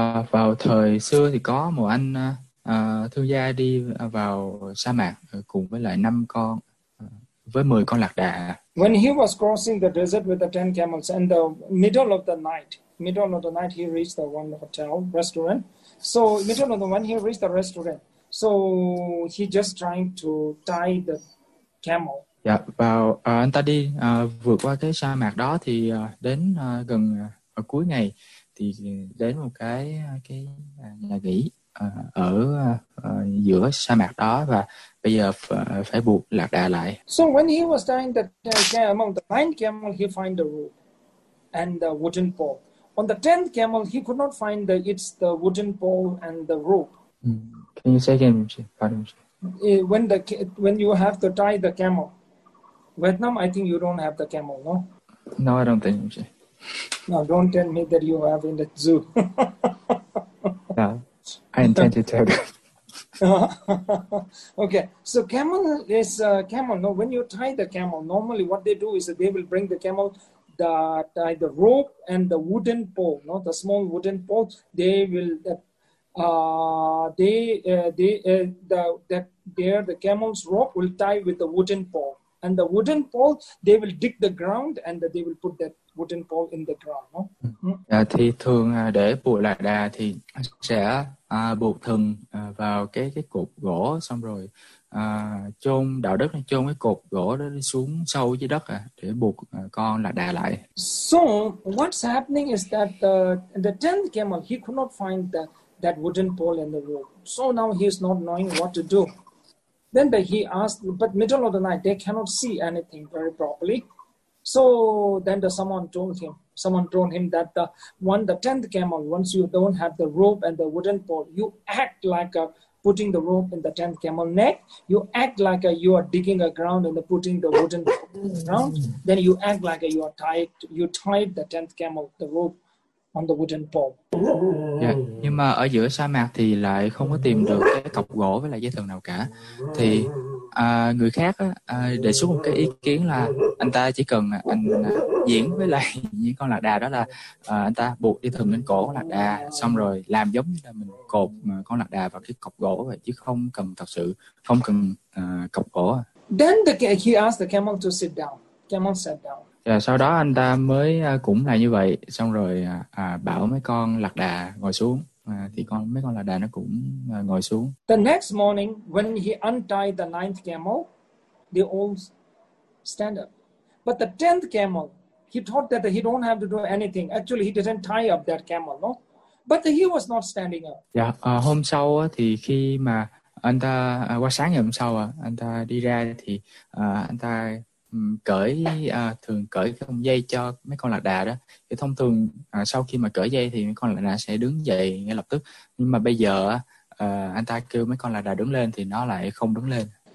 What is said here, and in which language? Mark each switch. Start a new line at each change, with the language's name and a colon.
Vietnamese: Vào thời xưa thì có một anh thương gia đi vào sa mạc cùng với lại năm con với 10 con lạc đà.
English: When he was crossing the desert with the 10 camels in the middle of the night he reached the one hotel restaurant. So middle of the when he reached the restaurant, so he just trying to tie the camel.
Vietnamese: Dạ, vào anh ta đi vượt qua cái sa mạc đó thì đến gần ở cuối ngày thì đến một cái nhà nghỉ ở giữa sa mạc đó và bây giờ phải buộc lạc đà lại.
English: So when he was tying the among the 9 camel, he find the rope and the wooden pole. On the 10th camel, he could not find the it's the wooden pole and the rope. Can you say again, pardon? When you have to tie the camel, Vietnam, I think you don't have the camel, no? No, I don't think so. No, don't tell me that you have in the zoo. Yeah, I intend to tell. Okay, so camel is camel. No, when you tie the camel, normally what they do is that they will bring the camel, tie the rope and the wooden pole. No, the small wooden pole. They will, that there the camel's rope will tie with the wooden pole, and the wooden pole they will dig the ground and they will put that wooden pole in the ground. No.
Vietnamese: À, thì thường để buộc lạc đà thì sẽ buộc thừng vào cái cột gỗ xong rồi chôn đạo đức chôn cái cột gỗ đó xuống sâu dưới đất để buộc con lạc đà lại.
English: So what's happening is that the 10th camel he could not find that wooden pole and the rope. So now he's not knowing what to do. Then he asked, but middle of the night they cannot see anything very properly. So then someone told him that when the 10th camel, once you don't have the rope and the wooden pole, you act like putting the rope in the 10th camel neck. You act like you are digging a ground and putting the wooden pole in the ground. Then you act like you are tied. You tied the 10th camel, the rope, on the wooden pole.
Vietnamese: Dạ, nhưng mà ở giữa sa mạc thì lại không có tìm được cái cọc gỗ với lại dây thừng nào cả. Thì người khác đề xuất một cái ý kiến là anh ta chỉ cần anh diễn với lại những con lạc đà đó là anh ta buộc dây thừng lên cổ lạc đà xong rồi làm giống như là mình cột con lạc đà vào cái cọc gỗ vậy chứ không cần thật sự không cần cọc gỗ.
English: Then he asked the camel to sit down. Camel sat down.
Vietnamese: Và sau đó anh ta mới cũng là như vậy, xong rồi bảo mấy con lạc đà ngồi xuống, thì con mấy con lạc đà nó cũng ngồi xuống.
English: The next morning, when he untied the 9th camel, they all stand up. But the 10th camel, he thought that he don't have to do anything. Actually, he didn't tie up that camel, no? But he was not standing up.
Vietnamese: Dạ, hôm sau thì khi mà anh ta qua sáng ngày hôm sau anh ta đi ra thì anh ta cởi thường cởi cái dây cho mấy con lạc đà đó thì thông thường sau khi mà cởi dây thì mấy con lạc đà sẽ đứng dậy ngay lập tức nhưng mà bây giờ anh ta kêu mấy con lạc đà đứng lên thì nó lại không đứng lên.